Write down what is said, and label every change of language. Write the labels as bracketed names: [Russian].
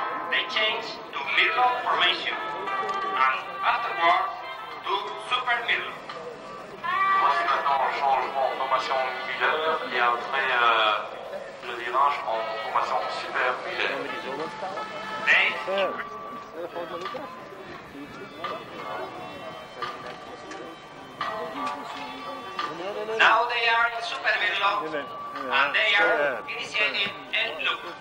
[English] They change to middle formation, and afterwards to super middle. [French] Voici maintenant le changement en formation middle, et après le virage en formation super middle. [English] Now they are in super middle and they are initiating end loop.